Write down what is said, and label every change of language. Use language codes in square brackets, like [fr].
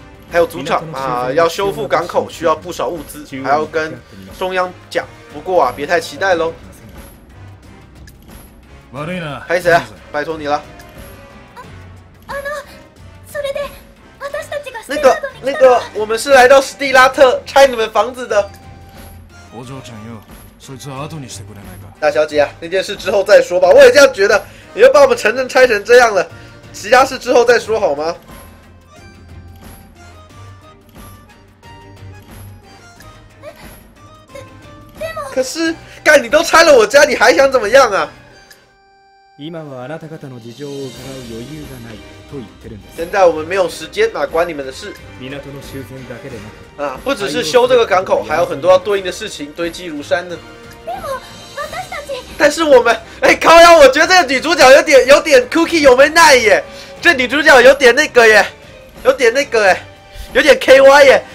[zh] 还有组长啊，要修复港口需要不少物资，还要跟中央讲。不过啊，别太期待喽。 [ja] 悪いな。 [zh] 拍谁啊？拜托你了。 [ja] あの、それで、私たちが。 [zh] 那个，我们是来到斯蒂拉特拆你们房子的。 [ja] お嬢ちゃんよ、そいつは後にしてくれないか。 [zh] 大小姐啊，那件事之后再说吧。我也这样觉得，你就把我们城镇拆成这样了，其他事之后再说好吗？可是，干，你都拆了我家，你还想怎么样啊？ [ja] 今はあなた方の事情を伺う余裕がないと言ってるんです。 [zh] 现在我们没有时间啊，管你们的事。 [ja] 港の修繕だけでなく、 [zh] 啊，不只是修这个港口，还有很多要对应的事情堆积如山呢。 [ja] でも私たち， [zh] 但是我们，哎，靠呀，我觉得这个女主角有点 cookie 有没奈耶，这女主角有点那个耶，有点 KY 耶。